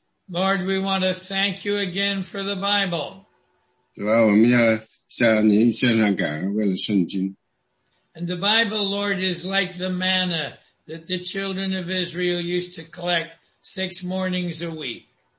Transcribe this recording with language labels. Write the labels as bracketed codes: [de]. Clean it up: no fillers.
[en] Lord, we want to thank you again for the Bible. [zh] 主啊，我们要向您献上感恩，为了圣经。 [en] And the Bible, Lord, is like the manna that the children of Israel used to collect 6 mornings a week.